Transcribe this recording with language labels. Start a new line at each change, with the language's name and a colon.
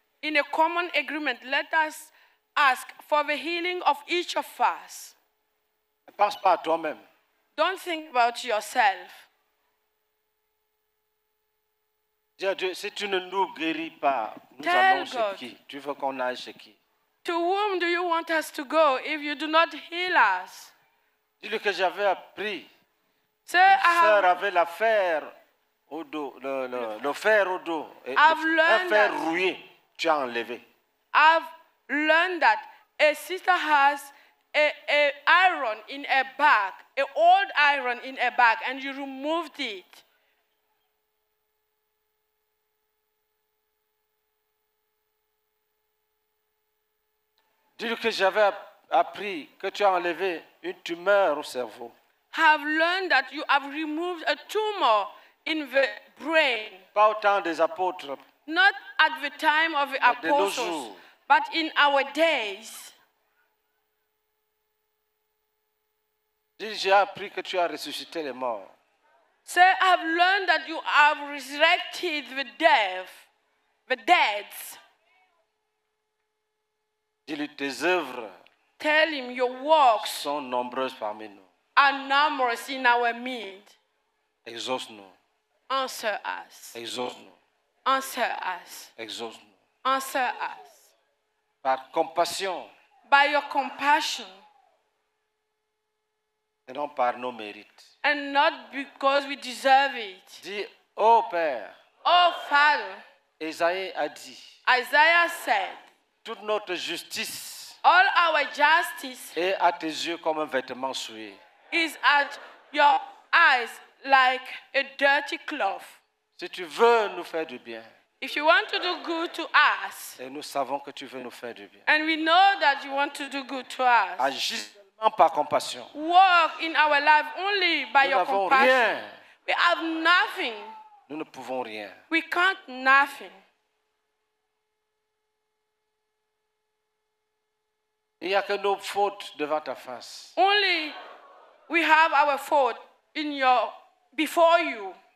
English: In a common agreement, let us ask for the healing of each of us.
French: Ne pense pas à toi-même.
English: Don't think about yourself.
French: Dis à Dieu, si tu ne nous guéris pas, nous allons chez qui? Tu veux qu'on aille chez qui?
English: To whom do you want us to go if you do not heal us?
French: Dis-lui que j'avais appris. Sœur avait la fer au dos, le fer au dos, et le fer rouillé, tu as enlevé.
English: I've learned that a sister has a iron in a bag, an old iron in a bag, and you removed it.
French: Dis-lui que j'avais appris que tu as enlevé une tumeur au cerveau.
English: Have learned that you have removed a tumor in the brain.
French: Pas au temps des apôtres.
English: Not at the time of the apostles, but in our days.
French: Dis, j'ai appris que tu as ressuscité les morts.
English: Say, I have learned that you have resurrected the dead.
French: Dis-lui tes œuvres.
English: Tell him your works
French: sont nombreuses parmi nous.
English: Are numerous in our midst.
French: Exauce-nous.
English: Answer us.
French: Exauce-nous.
English: Answer us.
French: Exauce-nous.
English: Answer us.
French: Par compassion.
English: By your compassion.
French: Et non par nos mérites.
English: And not because we deserve it.
French: Dis, oh Père.
English: Oh Father.
French: Isaïe a dit.
English: Isaiah said.
French: Toute notre justice.
English: All our justice
French: est à tes yeux comme un vêtement souillé.
English: Is at your eyes like a dirty cloth.
French: Si tu veux nous faire du bien.
English: If you want to do good to us.
French: Et nous savons que tu veux nous faire du bien.
English: And we know that you want to do good to us.
French: Agis seulement par compassion.
English: Work in our life only by
French: nous
English: your
French: n'avons
English: compassion.
French: Rien.
English: We have nothing.
French: Nous ne pouvons rien.
English: We can't nothing.
French: Il n'y a que nos fautes devant ta face.
English: Only we have our fault in your before you.